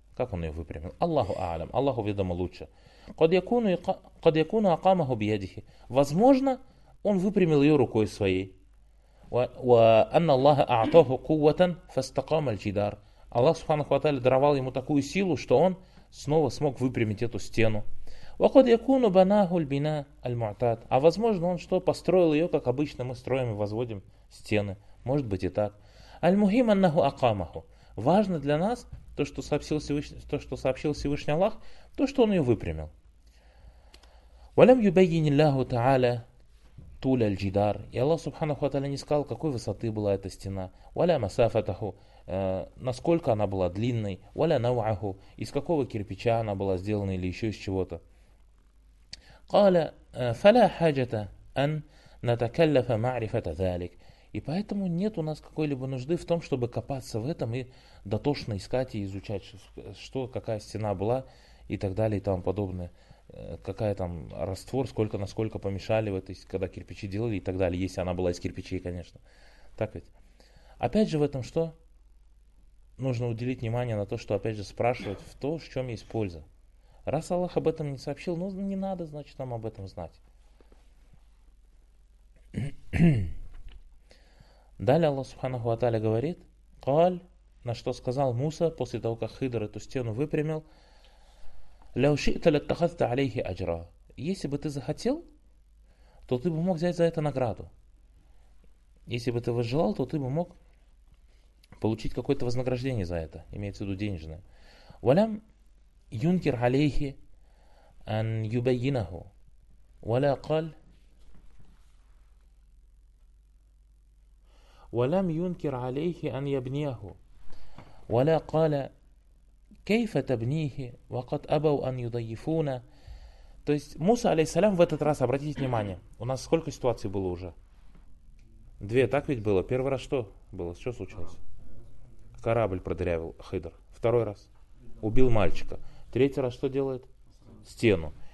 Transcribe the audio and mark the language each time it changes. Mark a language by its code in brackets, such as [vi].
[ru] Как он ее выпрямил? Аллаху аалям. Аллаху ведомо лучше. [ar] Кад якуну акамаху бьядихи. [ru] Возможно, он выпрямил ее рукой своей. [ar] Ва анна Аллаха аатоху куватан фастакам аль-джидар. [ru] Аллах, субханаху ва тааля, даровал ему такую силу, что он снова смог выпрямить эту стену. [ar] وقد يكون بناه البناء المعتاد. [ru] А возможно, он что, построил ее, как обычно мы строим и возводим стены. Может быть и так. [ar] المهم أنه أقامه. [ru] Важно для нас то, что сообщил Всевышний, Аллах, то, что он ее выпрямил. [ar] ولم يبين الله تعالى طول الجدار. [ru] И Аллах Субханаху ва Тааля не сказал, какой высоты была эта стена. [ar] ولا مسافته. [ru] Насколько она была длинной. [ar] ولا نوعه. [ru] Из какого кирпича она была сделана или еще из чего-то. [ar] قال فلا حاجة أن نتكلف معرفة ذلك. [ru] И поэтому нет у нас какой-либо нужды в том, чтобы копаться в этом и дотошно искать и изучать, что, какая стена была и так далее и тому подобное. Какая там раствор, сколько на сколько помешали, в этой, когда кирпичи делали и так далее, если она была из кирпичей, конечно. Так ведь. Опять же в этом что? Нужно уделить внимание на то, что опять же спрашивать в то, в чем есть польза. Раз Аллах об этом не сообщил, ну не надо, значит, нам об этом знать. Далее Аллах Субханаху ва Тааля говорит, قаль, на что сказал Муса, после того, как Хидр эту стену выпрямил, [ar] لَوْ شِئْتَ لَتَّخَذْتَ عَلَيْهِ أَجْرَ. [ru] Если бы ты захотел, то ты бы мог взять за это награду. Если бы ты возжелал, то ты бы мог получить какое-то вознаграждение за это, имеется в виду денежное. [ar] وَلَمْ ينكر عليه أن يبينه ولا قال ولم ينكر عليه أن يبنيه ولا قال كيف تبنيه وقد أبوا أن يضيفون. [ru] То есть Муса алейхиссалям в этот раз, обратите внимание, у нас сколько ситуаций было уже? Две, так ведь было? Первый раз что было? Что случилось? Корабль продырявил Хидр. Второй раз убил мальчика. Третий раз что делает? Стену.